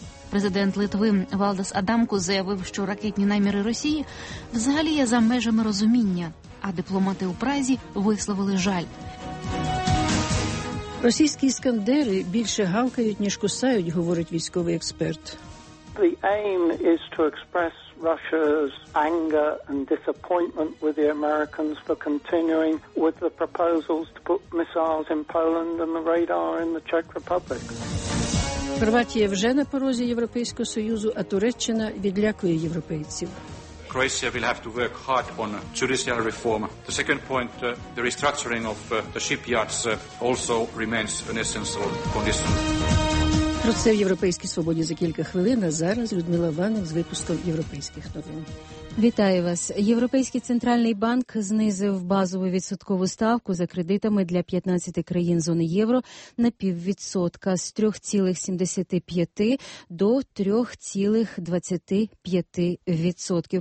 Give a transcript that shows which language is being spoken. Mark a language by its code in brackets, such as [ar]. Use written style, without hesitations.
[uk] Президент Литви Валдас Адамкус заявив, що ракетні наміри Росії взагалі є за межами розуміння, а дипломати у Празі висловили жаль. Російські іскандери більше гавкають, ніж кусають, говорить військовий експерт. [en] The aim is to express Russia's anger and disappointment with the Americans for continuing with the proposals to put missiles in Poland and the radar in the Czech Republic. [uk] Хорватія вже на порозі Європейського Союзу, а Туреччина відлякує європейців. [en] Croatia will have to work hard on judicial reform. The second point, the restructuring of the shipyards also remains an essential condition. [uk] Про це в Європейській свободі за кілька хвилин, а зараз Людмила Ваник з випуском європейських новин. Вітаю вас. Європейський центральний банк знизив базову відсоткову ставку за кредитами для 15 країн зони євро на 0,5% з 3,75 до 3,25%.